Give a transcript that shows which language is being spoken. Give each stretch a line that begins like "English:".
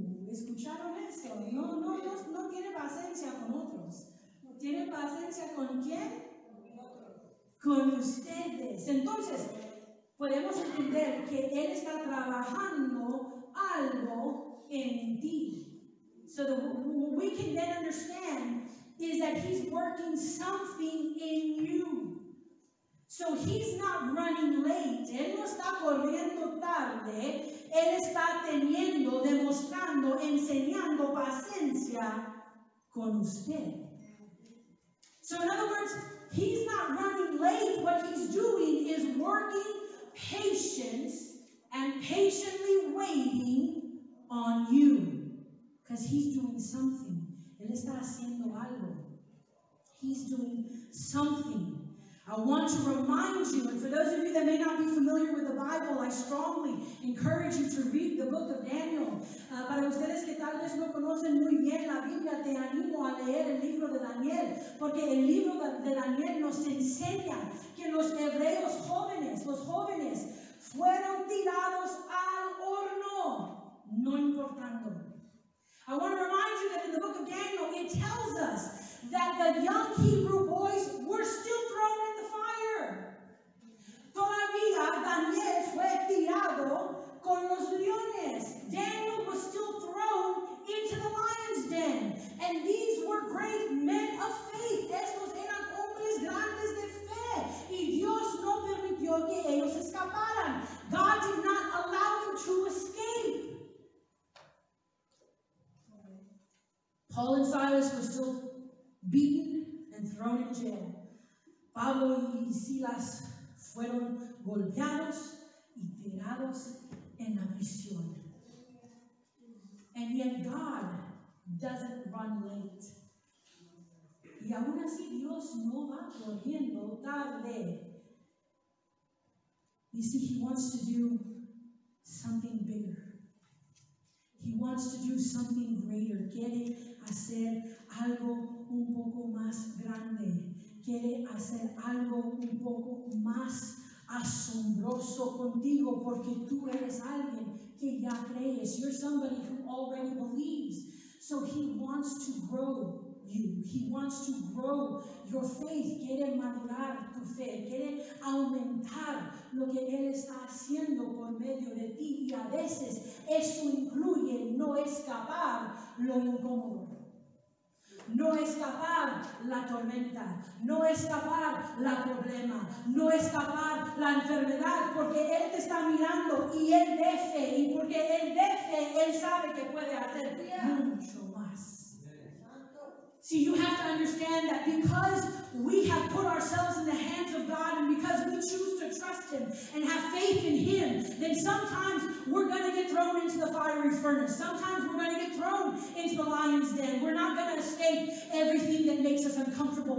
Spanish: ¿Escucharon eso? No tiene paciencia con otros. ¿Tiene paciencia con quién? Con ustedes. Entonces, podemos entender que él está trabajando algo en ti.
English: So what we can then understand is that he's working something in you. So he's not running late.
Spanish: Él no está corriendo tarde. Él está teniendo, demostrando, enseñando paciencia con usted.
English: So in other words, he's not running late. What he's doing is working patience and patiently waiting on you. Because he's doing something.
Spanish: Él está haciendo algo.
English: He's doing something. I want to remind you, and for those of you that may not be familiar with the Bible, I strongly encourage you to read the book of Daniel.
Spanish: Para ustedes que tal vez no conocen muy bien la Biblia, te animo a leer el libro de Daniel, porque el libro de Daniel nos enseña que los hebreos jóvenes, los jóvenes, fueron tirados al horno, no importando.
English: I want to remind you that in the book of Daniel, it tells us that the young Hebrew boys were still thrown in the fire.
Spanish: Todavía Daniel fue tirado con los leones.
English: Daniel was still thrown into the lion's den. And these were great men of faith.
Spanish: Estos eran hombres grandes de fe. Y Dios no permitió que ellos escaparan.
English: God did not allow them to escape. Paul and Silas were still beaten and thrown in jail.
Spanish: Pablo y Silas fueron golpeados y tirados en la prisión.
English: And yet God doesn't run late.
Spanish: Y aún así Dios no va corriendo tarde.
English: You see, he wants to do something bigger. He wants to do something greater.
Spanish: Quiere hacer algo un poco más grande. Quiere hacer algo un poco más asombroso contigo porque tú eres alguien que ya crees.
English: You're somebody who already believes. So he wants to grow you. He wants to grow your faith.
Spanish: Quiere madurar tu fe. Quiere aumentar lo que él está haciendo por medio de ti. Y a veces eso incluye no escapar lo incómodo. No escapar la tormenta, no escapar la problema, no escapar la enfermedad, porque Él te está mirando y Él de fe, y porque Él de fe, Él sabe que puede hacer mucho más.
English: See, you have to understand that because we have put ourselves in the hands of God and because we choose to trust Him and have faith in Him, then sometimes we're going to get thrown into the fiery furnace. Sometimes we're going to get thrown into the lion's den. We're not going to escape everything that makes us uncomfortable.